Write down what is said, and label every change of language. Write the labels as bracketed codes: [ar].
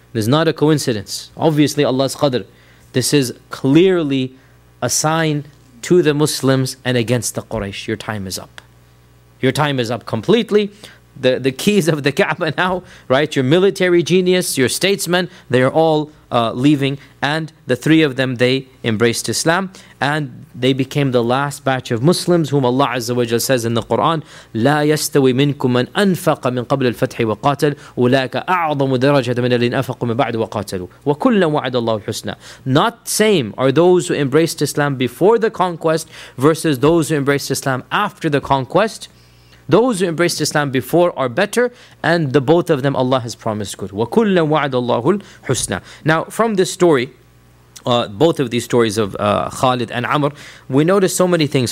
[en] This is not a coincidence. Obviously, Allah's Qadr. This is clearly a sign to the Muslims and against the Quraysh. Your time is up. Your time is up completely. The keys of the Kaaba now, right? Your military genius, your statesmen, they're all leaving. And the three of them, they embraced Islam. And they became the last batch of Muslims whom Allah Azza wa Jalla says in the Quran, [ar] لَا يَسْتَوِي مِنْكُمْ مَنْ أَنْفَقَ مِنْ قَبْلِ الْفَتْحِ وَقَاتَلُ أُولَٰئِكَ أَعْظَمُ دَرَجَةً مِنَ الَّذِينَ أَنْفَقُوا مِنْ بَعْدُ وَقَاتَلُوا وَكُلًّا وَعَدَ اللَّهُ الْحُسْنَى. [en] Not same are those who embraced Islam before the conquest versus those who embraced Islam after the conquest. Those who embraced Islam before are better, and the both of them Allah has promised good. [ar] وَكُلًّا وَعَدَ اللَّهُ الْحُسْنَى. [en] Now, from this story, both of these stories of Khalid and Amr, we notice so many things.